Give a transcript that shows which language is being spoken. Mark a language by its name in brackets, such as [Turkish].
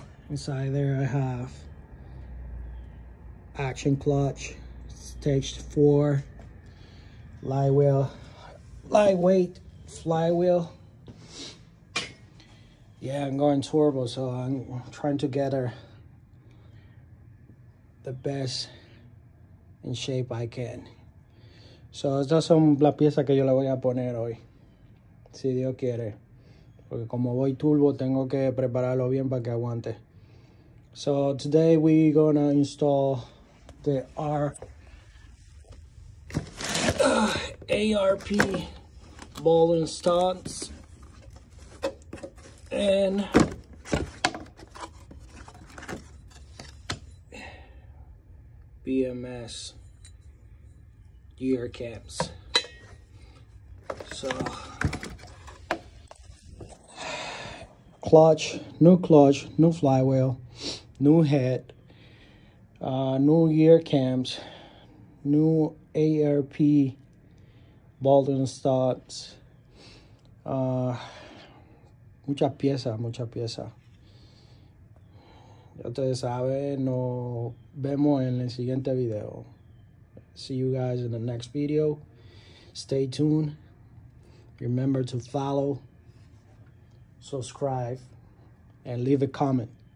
[English] Inside there I have action clutch, staged 4, lightweight flywheel. Yeah, I'm going turbo, so I'm trying to get her the best in shape I can. [Spanish] So estas son las piezas que yo le voy a poner hoy, si Dios quiere. Porque como voy turbo, tengo que prepararlo bien para que aguante. [English] So today we're gonna install the ARP ball and studs. And BMS gear caps. So clutch, new flywheel, new head, new gear cams, new ARP ball and studs, [Spanish] mucha pieza. Ya ustedes saben, nos vemos en el siguiente video. [English] See you guys in the next video. Stay tuned. Remember to follow, subscribe, and leave a comment.